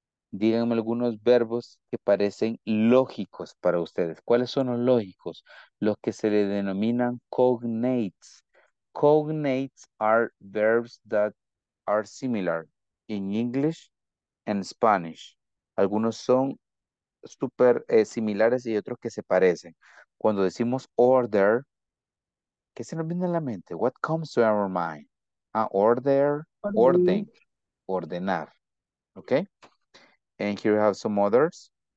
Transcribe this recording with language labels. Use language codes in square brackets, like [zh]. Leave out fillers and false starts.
[es] Díganme algunos verbos que parecen lógicos para ustedes. ¿Cuáles son los lógicos? Los que se le denominan cognates. [en] Cognates are verbs that are similar in English and Spanish. [es] Algunos son súper similares y otros que se parecen. Cuando decimos order, ¿qué se nos viene a la mente? [en] What comes to our mind? Order, orden, ordenar. Okay. And here we have some others.